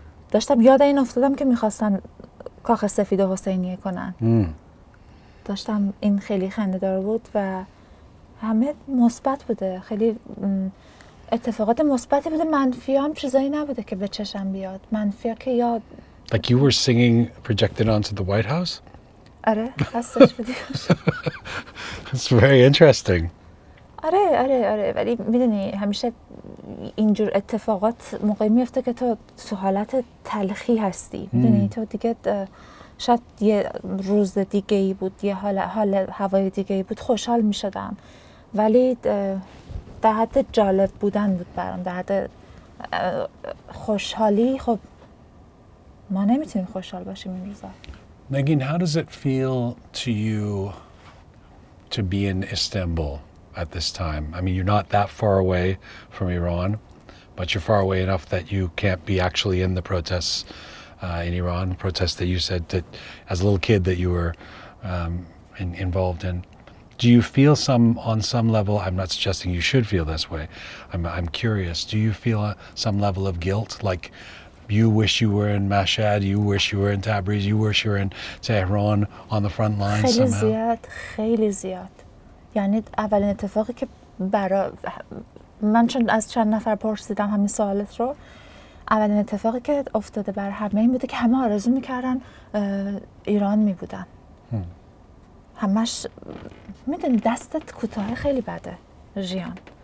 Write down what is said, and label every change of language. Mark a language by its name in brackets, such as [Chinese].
[Persian] داشتم یاد این افتادم که میخواستن کاخ سفید و حسینیه کنن. داشتم، این خیلی خنده‌دار بود و همه مثبت بوده، خیلی اتفاقات مثبتی بوده. منفی هم چیزایی نبوده که به چشم بیاد. منفی ها که یاد [English] Like you were singing projected onto the White House? [Persian] آره، هستش بودیش. [English] It's very interesting. [Persian] آره. ولی میدونی همیشه اینجور اتفاقات موقعی میفته که تو سهالت تلخی هستی. میدونی تو دیگه شاید یه روز دیگه ای بود، یه حال هوای دیگه ای بود، خوشحال میشدم. ولی در حد جالب بودن بود برام، در حد خوشحالی. خب ما نمیتونیم خوشحال باشیم این روزا. [English] Megan, how does it feel to you to be in Istanbul at this time? I mean, you're not that far away from Iran, but you're far away enough that you can't be actually in the protests in Iran, protests that you said that as a little kid that you were involved in. Do you feel on some level, I'm not suggesting you should feel this way, I'm curious, do you feel some level of guilt, like you wish you were in Mashhad, you wish you were in Tabriz, you wish you were in Tehran on the front line [Persian] خیلی [English] somehow. [Persian] زیاد, خیلی زیاد. یعنی اولین اتفاقی که برا من چون از چند نفر پرسیدم همین سوالت رو اولین اتفاقی که افتاده بر همه این بوده که همه آرزو میکردن ایران میبودن همش میدونی دستت کوتاه خیلی بده ژیان